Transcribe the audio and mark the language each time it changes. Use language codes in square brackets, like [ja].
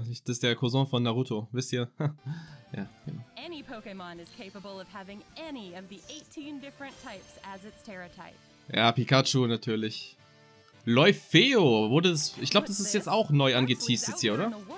[de] Das ist der Cousin von Naruto, wisst ihr? Ja, genau. [en] Any Pokémon is capable of having any of the 18 different types as its Terra type. [de] Ja, Pikachu natürlich. Leufeo, wurde das. Ich glaube, das ist jetzt auch neu angeteased jetzt hier, oder?